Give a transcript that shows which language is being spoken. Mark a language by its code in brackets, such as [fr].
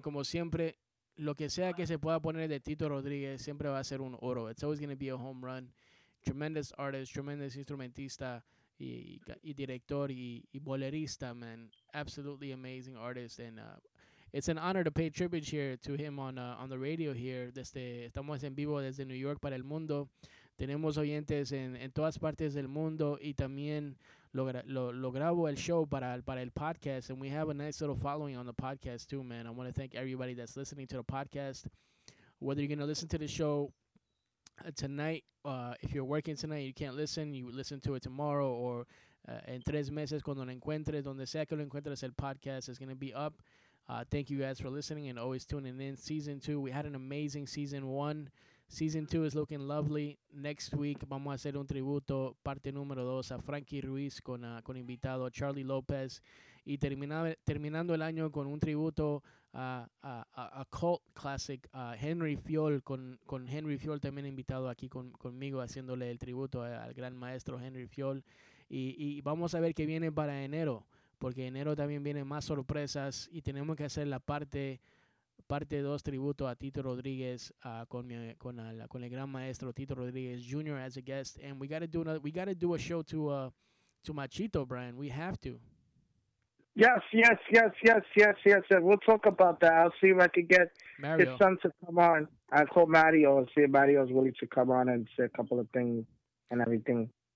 [es] Como siempre, lo que sea que se pueda poner de Tito Rodríguez siempre va a ser un oro. [en] It's always going to be a home run. Tremendous artist, tremendous [es] instrumentista y director y bolerista, [en] man. Absolutely amazing artist. And it's an honor to pay tribute here to him on the radio here. [es] Estamos en vivo desde New York para el mundo. Tenemos oyentes en todas partes del mundo y también lo grabo el show para el podcast. [en] And we have a nice little following on the podcast too, man. I want to thank everybody that's listening to the podcast. Whether you're going to listen to the show tonight, if you're working tonight, you can't listen, you listen to it tomorrow or [es] en tres meses cuando lo encuentres, [en] donde sea que lo encuentres, el podcast is going to be up. Thank you guys for listening and always tuning in. Season 2, we had an amazing season 1. Season 2 is looking lovely. Next week, [es] vamos a hacer un tributo, parte número 2, a Frankie Ruiz con invitado Charlie López. Y terminando el año con un tributo a cult classic, Henry Fiol, con Henry Fiol también invitado aquí conmigo, haciéndole el tributo al gran maestro Henry Fiol. Y vamos a ver qué viene para enero, porque enero también vienen más sorpresas y tenemos que hacer la parte 2 tributo a Tito Rodríguez con el gran maestro Tito Rodríguez Jr. [en] as a guest. And we got to do a show to Machito, Brian. We have to. Yes. And we'll talk about that. I'll see if I can get Mario, his son, to come on. I'll call Mario and see if Mario's willing to come on and say a couple of things and everything.